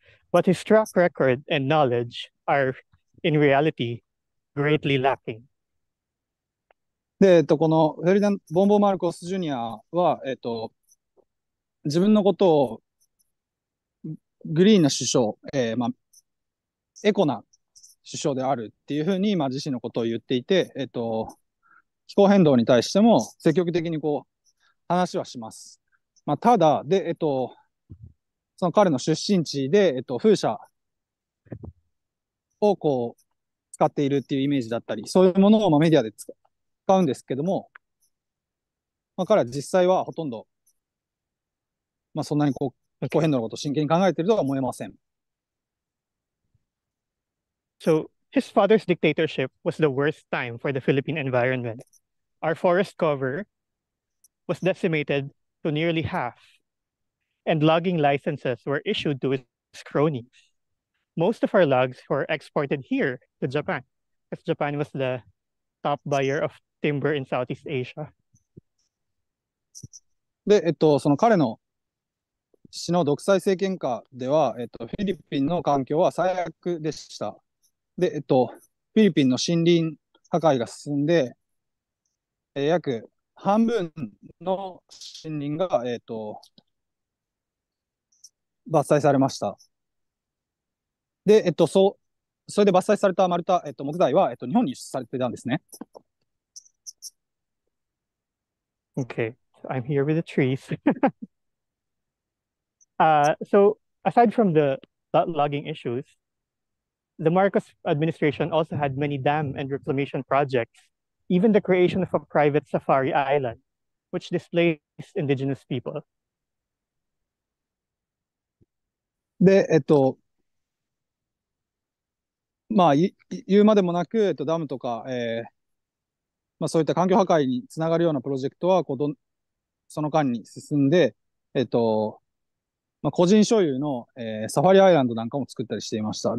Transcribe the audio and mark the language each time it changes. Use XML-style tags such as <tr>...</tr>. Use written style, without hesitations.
<en>But his track record and knowledge are, in reality, greatly lacking.</en> <ja>で、このフェルディナンド・ボンボン・マルコス・ジュニアは、自分のことをグリーンな首相、まあ、エコな首相であるっていうふうに、まあ、自身のことを言っていて、気候変動に対しても積極的にこう話はします。まあ、ただ、で、その彼の出身地で、風車をこう使っているっていうイメージだったり、そういうものをまあメディアで使うんですけども、まあ、彼は実際はほとんど、まあ、そんなにこう気候変動のことを真剣に考えているとは思えません。</ja> <en>So, his father's dictatorship was the worst time for the Philippine environment. Our forest cover was decimated to nearly half, and logging licenses were issued to his cronies. Most of our logs were exported here to Japan, because Japan was the top buyer of timber in Southeast Asia.</en> <ja>で、その彼の父の独裁政権下では、フィリピンの環境は最悪でした。で、フィリピンの森林破壊が進んで、約半分の森林が、伐採されました。で、そう、それで伐採された丸太、木材は、日本に輸出されてたんですね。</ja> <en>Okay, I'm here with the trees. So aside from the logging issues, the Marcos administration also had many dam and reclamation projects, even the creation of a private safari island, which displaced indigenous people.</en> <ja>で、まあ、言うまでもなく、ダムとか、まあ、そういった環境破壊につながるようなプロジェクトは、その間に進んで、まあ、個人所有の、サファリアイランドなんかも作ったりしていました。</ja>